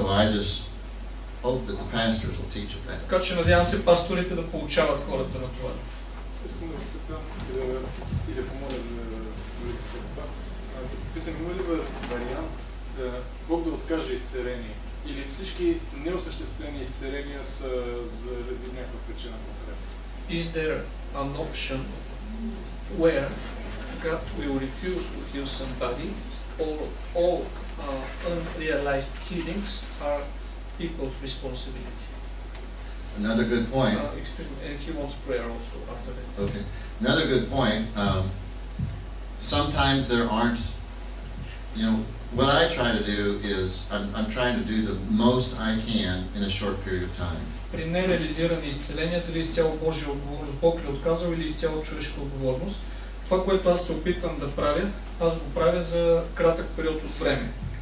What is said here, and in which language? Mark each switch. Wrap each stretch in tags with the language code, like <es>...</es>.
<bg>Така че надявам се пасторите да получават хората на това. Искам да ви питам и да помоля за молитвата. Питам, има ли вариант да Бог да откаже изцеление? Или всички неосъществени изцеления са заради някаква причина конкретно?</bg> <en>Is there an option where God will refuse to heal somebody or all unrealized healings are people's responsibility? Another good point. Excuse me, and he wants prayer also after that. Okay. Another good point. Sometimes there aren't, what I try to do is I'm trying to do the most I can in a short period of time.</en> <bg>При нереализирани изцеления, дали изцяло Божия отговорност, Бог ли отказал или изцяло човешка отговорност, това, което аз се опитвам да правя, аз го правя за кратък период от време.</bg>